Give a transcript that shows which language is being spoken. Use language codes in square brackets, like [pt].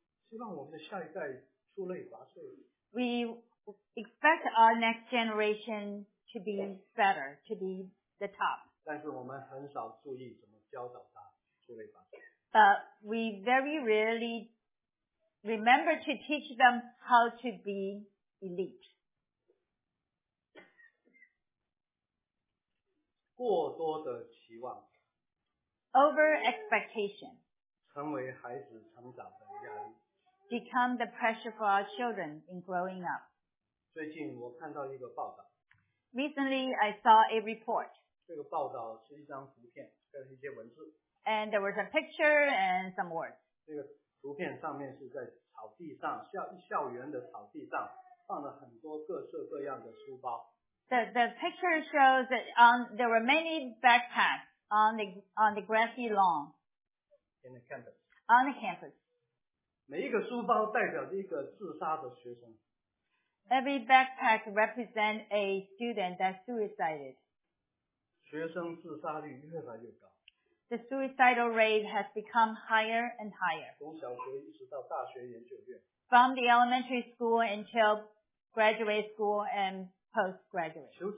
[zh] 希望我们的下一代出类拔萃。 [en] We expect our next generation to be better, to be the top. [zh] 但是我们很少注意怎么教导他出类拔萃。 [en] But we very rarely remember to teach them how to be elite. [zh] 过多的期望, [en] over expectation, [zh] 成为孩子成长的压力, [en] become the pressure for our children in growing up. [zh] 最近我看到一个报道, [en] recently I saw a report. [zh] 这个报道是一张图片, 跟一些文字, [en] and there was a picture and some words. [zh] 这个图片上面是在草地上, 校园的草地上, 放了很多各色各样的书包。 [en] The picture shows that there were many backpacks on the grassy lawn. In the campus. On the campus. [zh] 每一个书包代表着一个自杀的学生。 [en] Every backpack represents a student that suicided. [zh] 学生自杀率越来越高。 [en] The suicidal rate has become higher and higher. [zh] 从小学一直到大学研究院。 [en] From the elementary school until graduate school and postgraduate.